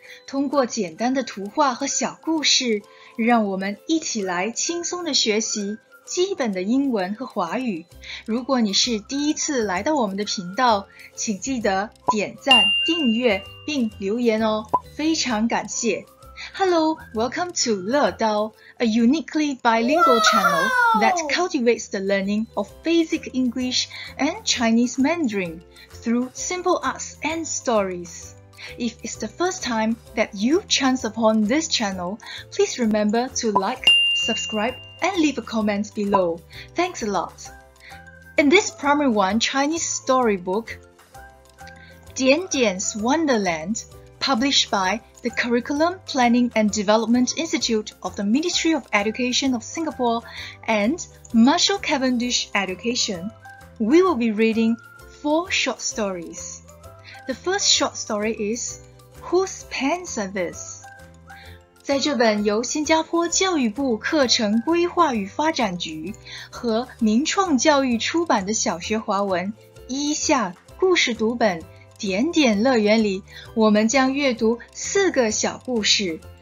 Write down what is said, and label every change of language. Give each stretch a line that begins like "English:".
Chinese: 通过简单的图画和小故事，让我们一起来轻松地学习基本的英文和华语。如果你是第一次来到我们的频道，请记得点赞、订阅并留言哦，非常感谢。
English: Hello, welcome to 乐刀, a uniquely bilingual channel that cultivates the learning of basic English and Chinese Mandarin through simple arts and stories. If it's the first time that you've chanced upon this channel, please remember to like, subscribe, and leave a comment below. Thanks a lot. In this primary one Chinese storybook, 点点's Wonderland,published by the Curriculum Planning and Development Institute of the Ministry of Education of Singapore and Marshall Cavendish Education, we will be reading four short stories. The first short story is, Whose Pants Are This?
Chinese: 在这本由新加坡教育部课程规划与发展局和明创教育出版的小学华文一下故事读本点点乐园里，我们将阅读四个小故事。